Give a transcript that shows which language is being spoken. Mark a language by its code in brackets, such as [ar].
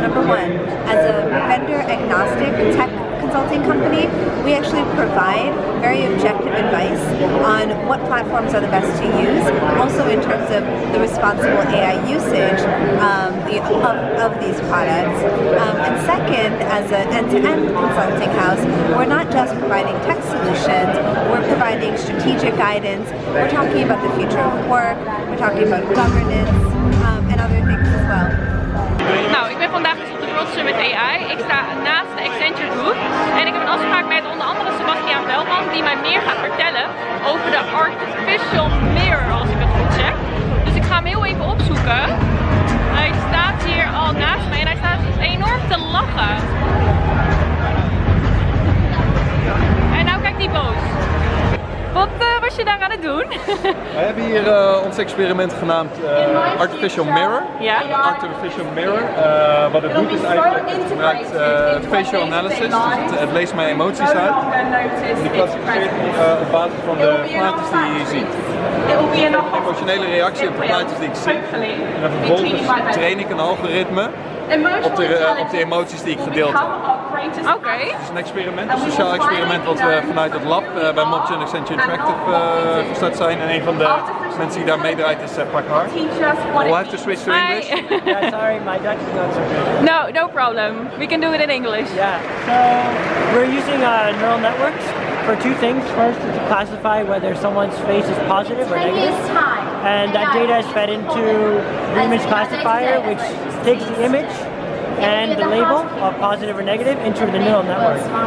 [en] Number one, as a vendor agnostic tech consulting company, we actually provide very objective advice on what platforms are the best to use, also in terms of the responsible AI usage of these products. And second, as an end-to-end consulting house, we're not just providing tech solutions, we're providing strategic guidance, we're talking about the future of work, we're talking about governance, and other things as well. [nl] Nou, ik ben vandaag dus op de rotsen met AI. Ik sta naast de Accenture Group en ik heb een afspraak met onder andere Sebastiaan Velman, die mij meer gaat vertellen over de Artificial Mirror, als ik het goed zeg. Dus ik ga hem heel even opzoeken. Hij staat hier al naast mij en hij staat enorm te lachen. En nou kijkt hij boos. Wat was je daar aan het doen? We hebben hier ons experiment genaamd Artificial Mirror. Ja. Artificial Mirror. Wat het doet is eigenlijk, het gebruikt facial analysis. Dus het leest mijn emoties uit. En die klassificeert op basis van de plaatjes die je ziet. Een emotionele reactie op de plaatjes die ik zie. En dan vervolgens train ik een algoritme op de emoties die ik gedeeld heb. Okay. Het is een experiment, een sociaal experiment wat we vanuit het lab bij Mobgen en Accenture Interactive gestart zijn. En een van de mensen die daar meedraait is Pak Hart. [en] We'll have to switch to English. Yeah, sorry, my Dutch is not so good. No, no problem. We can do it in English. Yeah. So we're using neural networks for two things. First is to classify whether someone's face is positive or negative. And that data is fed into the image classifier, which takes the image and the label of positive or negative into the neural network.